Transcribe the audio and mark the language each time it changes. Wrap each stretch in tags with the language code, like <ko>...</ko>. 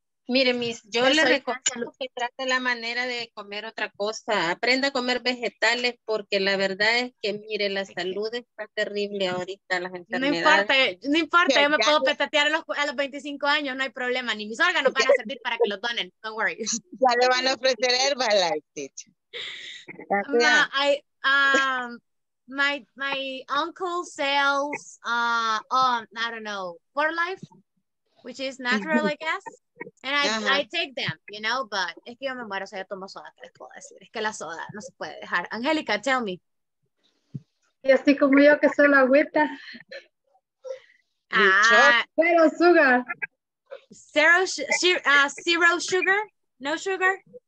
<es>Mire, Miss, yo le recomiendo que trate la manera de comer otra cosa. Aprenda a comer vegetales porque la verdad es que, mire, la salud está terrible ahorita, las enfermedades. No importa, yo me puedo petatear a los 25 años, no hay problema. Ni mis órganos van a servir para que los donen.</es> <en>Don't worry.</en> <es>Ya le van a ofrecer Herbalife, teacher.</es> <en>No, my uncle sells, I don't know, For Life, which is natural, I guess. And I take them, you know, but</en> <es>es que yo me muero, o sea, yo tomo soda, ¿qué les puedo decir? Es que la soda no se puede dejar.</es> <en>Angélica, tell me.</en> <es>Y así como yo, que soy la agüita. Cero sugar.</es> <en>Zero sugar? No sugar?</en>